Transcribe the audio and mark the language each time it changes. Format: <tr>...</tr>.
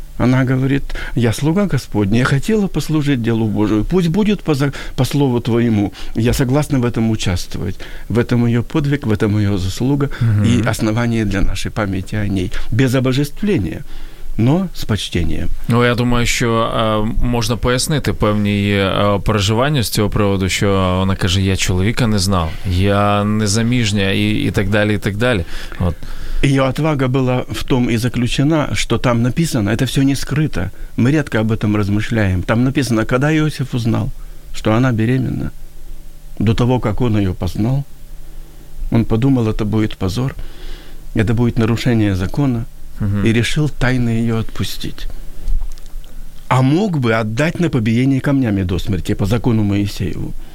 <ru>Она говорит: я слуга Господня, я хотела послужить делу Божию, пусть будет по слову Твоему, я согласна в этом участвовать. В этом ее подвиг, в этом ее заслуга и основание для нашей памяти о ней. Без обожествления, но с почтением.</ru> <uk>Ну, я думаю, що можна пояснити певні переживання з цього приводу, що вона каже: я чоловіка не знав, я не заміжня, і так далі, і так далі. От.</uk> <ru>Ее отвага была в том и заключена, что там написано, это все не скрыто. Мы редко об этом размышляем. Там написано, когда Иосиф узнал, что она беременна, до того, как он ее познал, он подумал, это будет позор, это будет нарушение закона, и решил тайно ее отпустить. А мог бы отдать на побиение камнями до смерти по закону Моисееву.</ru>